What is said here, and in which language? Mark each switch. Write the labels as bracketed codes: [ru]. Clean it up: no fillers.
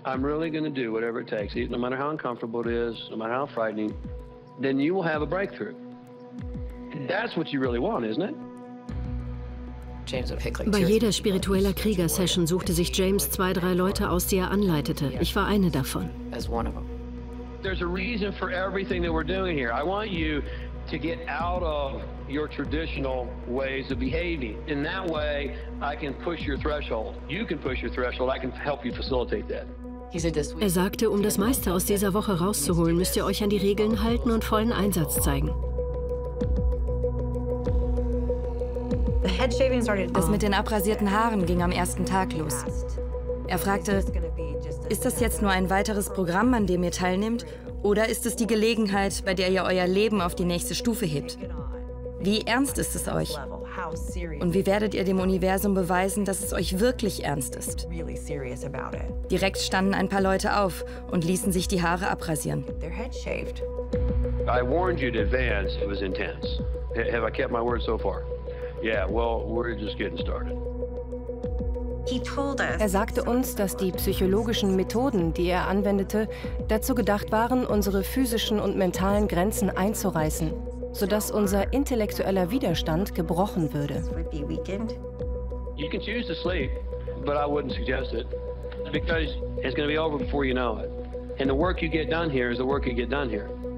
[en] I'm really going to do whatever it takes, no matter how uncomfortable it is, no matter how frightening, then you will have a breakthrough. That's what you really want, isn't it? [de] Bei jeder spiritueller Krieger-Session suchte sich James zwei, drei Leute aus, die er anleitete. Ich war eine davon. [en] As one of them. There's a reason for everything that we're doing here. I want you to get out of your traditional ways of behaving. In that way, I can push your threshold. You can push your threshold. I can help you facilitate that. [de] Er sagte, um das meiste aus dieser Woche rauszuholen, müsst ihr euch an die Regeln halten und vollen Einsatz zeigen. Das mit den abrasierten Haaren ging am ersten Tag los. Er fragte, ist das jetzt nur ein weiteres Programm, an dem ihr teilnehmt? Oder ist es die Gelegenheit, bei der ihr euer Leben auf die nächste Stufe hebt? Wie ernst ist es euch? Und wie werdet ihr dem Universum beweisen, dass es euch wirklich ernst ist? Direkt standen ein paar Leute auf und ließen sich die Haare abrasieren. [en] I warned you in advance, it was intense. Have I kept my word so far? Yeah, well, we're just getting started. [de] Er sagte uns, dass die psychologischen Methoden, die er anwendete, dazu gedacht waren, unsere physischen und mentalen Grenzen einzureißen, sodass unser intellektueller Widerstand gebrochen würde. [en] You can choose to sleep, but I wouldn't suggest it, because it's going to be over before you know it. And the work you get done here is the work you get done here.